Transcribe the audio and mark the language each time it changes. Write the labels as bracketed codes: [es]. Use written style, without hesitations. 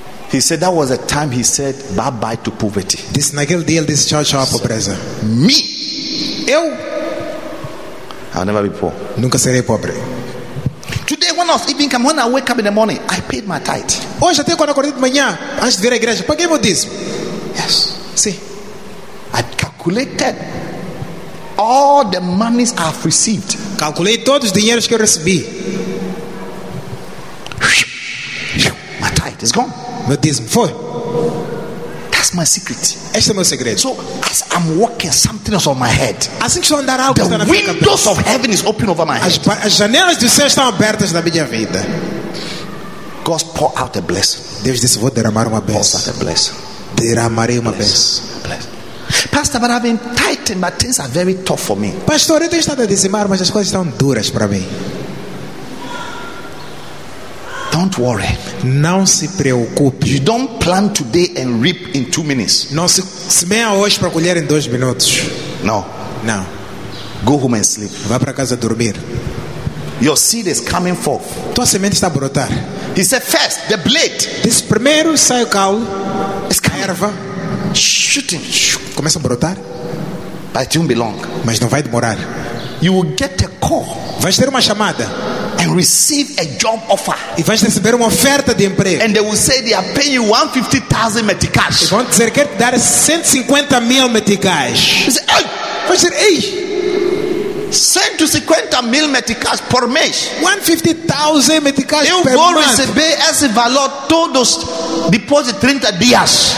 [en] He said that was a time he said bye bye to poverty. [pt] This naquele dia ele disse tchau tchau à pobreza. [en] Me, [pt] eu, [en] I'll never be poor. [pt] Nunca serei pobre. [en] Today, when I was even come, when I wake up in the morning, I paid my tithe. [pt] Hoje até quando acordei de manhã, antes de vir à igreja, paguei meu dízimo. [en] Yes, see, I calculated all the monies I've received. [pt] Calculei todos os dinheiros que eu recebi. [en] My tithe is gone. [pt] Meu dízimo foi. [en] That's my secret. [pt] Este é meu segredo. [en] So as I'm walking, something is on my head. [pt] Assim que estou a andar, algo está na minha cabeça. [en] Windows of heaven is open over my head. [pt] As janelas do céu estão abertas na minha vida. [en] God pour out a blessing. [pt] Deus disse, vou derramar uma bênção. [en] Pour out a blessing. [pt] Derramarei uma bênção. [en] Pastor, but I've been tightened, but things are very tough for me. [pt] Pastor, eu tenho estado a dizimar, mas as coisas estão duras para mim. [en] Don't worry. [pt] Não se preocupe. [en] You don't plant today and reap in 2 minutes. [pt] Não se semeia hoje para colher em 2 minutos. [en] No. No. Go home and sleep. [pt] Vá para casa dormir. [en] Your seed is coming forth. [pt] Tua semente está a brotar. [en] He said first the blade. [pt] This primeiro sai o caule. Esca erva. [en] Shooting. [pt] Começa a brotar. [en] But it won't be long. [pt] Mas não vai demorar. [en] You will get a call. [pt] Vais ter uma chamada. [en] And receive a job offer. [pt] E vais receber uma oferta de emprego. [en] And they will say they are paying you 150,000 meticais. [pt] E vão dizer que te dar 150 mil meticais. Ei, vai dizer ei. 150 mil meticais por mês. [en] 150,000 meticais [pt] eu por mês. Eu vou receber esse valor todos depois de 30 dias.